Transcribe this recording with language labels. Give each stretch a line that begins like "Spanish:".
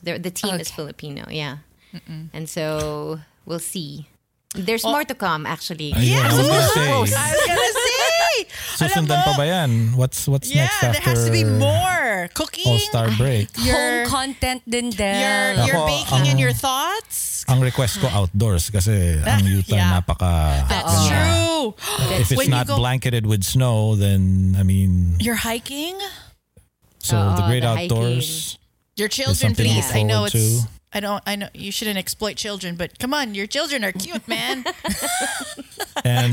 English: The team is Filipino, yeah. Mm-mm. And so we'll see. There's more to come, actually. I was gonna say.
Filipino: Susundan pa ba yan?
English: What's next after? Yeah, there has to be more cooking. All-star break. Home content din din. Your baking and your thoughts.
Filipino: Ang request ko outdoors kasi ang Utah napaka.
English: That's true. If it's not blanketed with snow, then I mean. You're hiking. So the great outdoors. Your children, please. I know it's. I know you shouldn't exploit children, but come on, your children are cute, man. And